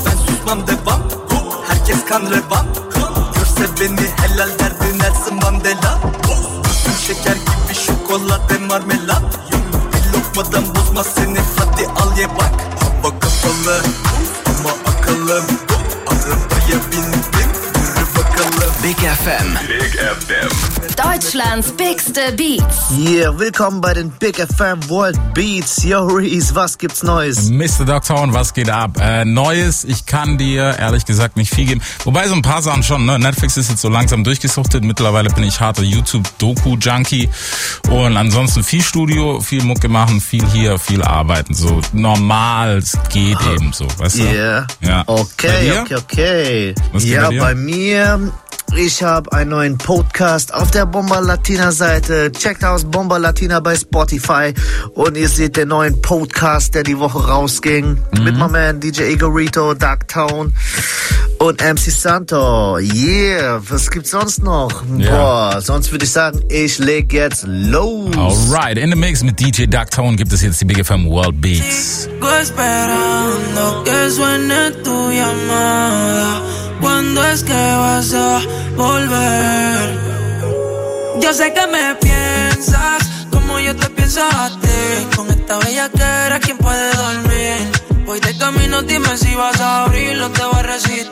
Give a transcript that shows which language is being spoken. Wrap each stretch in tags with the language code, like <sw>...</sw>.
<tr>Ben susmam devam. Herkes kan revan. Görse beni helal derdi Nelson Mandela. Bütün şeker gibi şokolade marmelat. Bir lokmadan bozma seni hadi al ye bak. Hava kapalı ama akalım. Arabaya bindim yürü bakalım.</tr> <de>Big FM. Big FM. Deutschland's Bigster Beats. Yeah, willkommen bei den Big FM World Beats. Yo, Reese, was gibt's Neues? Mr. Doctor, und was geht ab? Neues, ich kann dir ehrlich gesagt nicht viel geben. Wobei so ein paar Sachen schon, ne? Netflix ist jetzt so langsam durchgesuchtet. Mittlerweile bin ich harter YouTube-Doku-Junkie. Und ansonsten viel Studio, viel Mucke machen, viel hier, viel arbeiten. So normal, es geht eben so, weißt du? Yeah. Ja. Okay, okay. Was geht ja, bei mir. Ich habe einen neuen Podcast auf der Bomba Latina Seite. Checkt aus Bomba Latina bei Spotify und ihr seht den neuen Podcast, der die Woche rausging. Mit</de> <en>my man</en> <de>DJ Igorito, Dark Town und MC Santo. Yeah, was gibt's sonst noch? Yeah. Boah, sonst würde ich sagen, ich leg jetzt los.</de> <en>Alright, in the mix</en> <de>mit DJ Dark Town gibt es jetzt die Big FM World Beats.</de> <es>Sigo esperando que suene tu llamada. ¿Cuándo es que vas a volver? Yo sé que me piensas como yo te pienso a ti. Con esta bellaquera, ¿quién puede dormir? Voy de camino, dime si vas a abrir o te voy a resistir.</es>